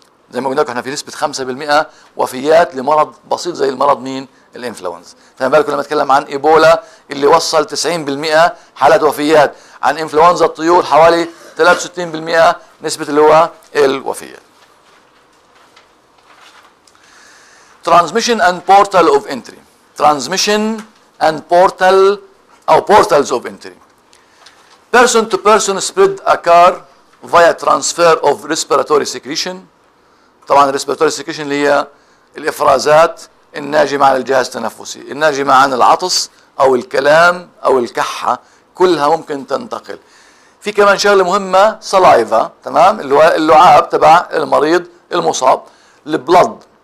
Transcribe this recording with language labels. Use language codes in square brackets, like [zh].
[ar] زي ما قلنا لكم احنا في نسبة 5% وفيات لمرض بسيط زي المرض مين؟ الانفلونزا. فما بالكم لما اتكلم عن ايبولا اللي وصل 90% حالات وفيات، عن انفلونزا الطيور حوالي 63% نسبة اللي هو الوفية. [en] Transmission and portal of entry. Transmission and portal أو portals of entry. Person to person spread occur via transfer of respiratory secretion. [ar] طبعا respiratory secretion اللي هي الإفرازات الناجمة عن الجهاز التنفسي، الناجمة عن العطس أو الكلام أو الكحة، كلها ممكن تنتقل. في كمان شغلة مهمة سلايفا، تمام، اللعاب تبع المريض المصاب، البلد.